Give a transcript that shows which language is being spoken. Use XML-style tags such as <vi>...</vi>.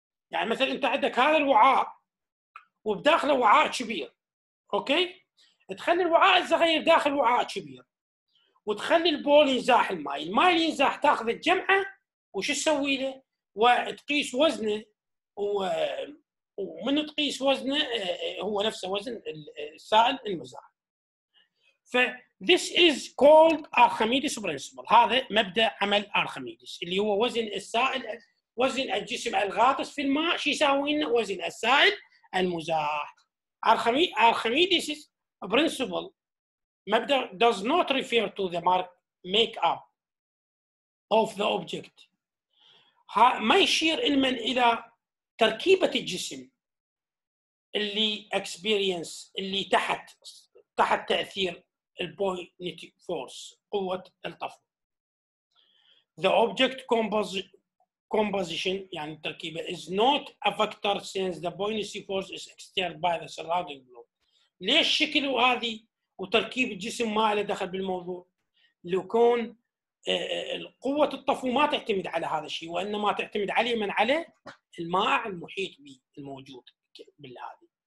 <ar>يعني مثلا انت عندك هذا الوعاء وبداخله وعاء كبير، اوكي، تخلي الوعاء الصغير داخل وعاء كبير وتخلي البول ينزاح الماء، الماء ينزاح تاخذ الجمعه وش تسوي له؟ وتقيس وزنه ومن تقيس وزنه هو نفسه وزن السائل المزاح. ف</ar> <en>this is called Archimedes principle،</en> <ar>هذا مبدا عمل ارخميدس اللي هو وزن السائل وزن الجسم الغاطس في الماء شو يساوي لنا؟ وزن السائل المزاح.</ar> <en>ارخميدس principle مبدأ does not refer to the mark makeup of the object.</en> <ar>ما يشير المن إلى تركيبة الجسم اللي experience اللي تحت تأثير buoyant force قوة الطفو.</ar> <en>The object composition</en> <ar>يعني التركيبة</ar> <en>is not a factor since the buoyancy force is exerted by the surrounding fluid.</en> <ar>ليش شكله هذه وتركيب الجسم ما له دخل بالموضوع؟ لكون قوة الطفو ما تعتمد على هذا الشيء وإنما تعتمد عليه من على المائع المحيط به الموجود بالهذه.</ar>